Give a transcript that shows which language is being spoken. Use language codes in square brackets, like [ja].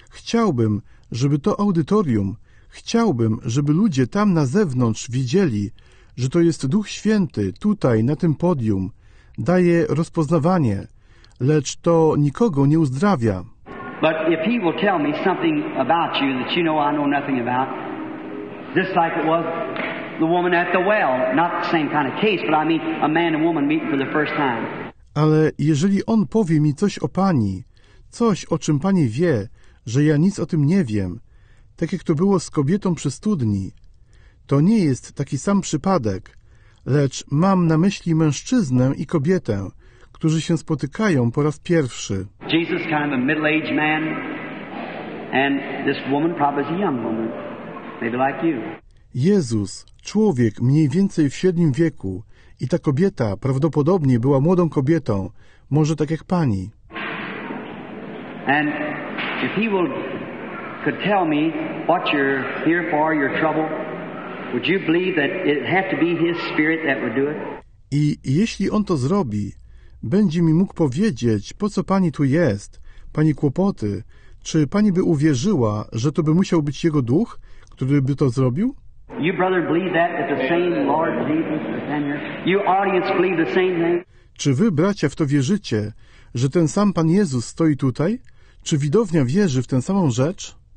[pl] Chciałbym, żeby to audytorium, chciałbym, żeby ludzie tam na zewnątrz widzieli, że to jest Duch Święty tutaj, na tym podium, daje rozpoznawanie, lecz to nikogo nie uzdrawia. [en] But if he will tell me something about you that you know I know nothing about, just like it was the woman at the well, not the same kind of case, but I mean a man and woman meeting for the first time. [pl] Ale jeżeli on powie mi coś o pani, coś o czym pani wie, że ja nic o tym nie wiem, tak jak to było z kobietą przy studni, to nie jest taki sam przypadek, lecz mam na myśli mężczyznę i kobietę, którzy się spotykają po raz pierwszy. [en] Jesus kind of a middle-aged man, and this woman probably a young woman, maybe like you. [pl] Jezus, człowiek mniej więcej w średnim wieku, i ta kobieta prawdopodobnie była młodą kobietą, może tak jak pani. [en] And if he will could tell me what you're here for, your trouble, would you believe that it had to be his spirit that would do it? [pl] I jeśli on to zrobi, będzie mi mógł powiedzieć, po co pani tu jest, pani kłopoty, czy pani by uwierzyła, że to by musiał być jego duch, który by to zrobił? [en] You brother believe that the same Lord Jesus is here? You audience believe the same thing? [pl] Czy wy bracia w to wierzycie, że ten sam Pan Jezus stoi tutaj? Czy widownia wierzy w tę samą rzecz?